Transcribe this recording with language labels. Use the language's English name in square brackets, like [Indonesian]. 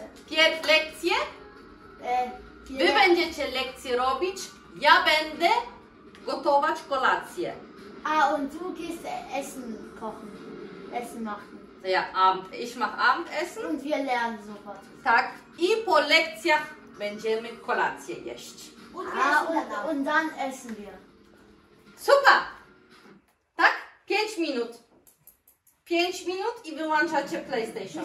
[Polish] Pierwsze lekcje? Wy będziecie lekcje robić, ja będę gotować kolację. [German] A, und du gehst Essen kochen. Essen machen. Ja, Abend. Ich mach Abendessen. Und wir lernen sofort. [Polish] Tak. I po lekcjach będziemy kolację jeść. [German] Und dann essen wir. [Polish] Super! Tak? 5 minut. 5 minut i wyłączacie PlayStation.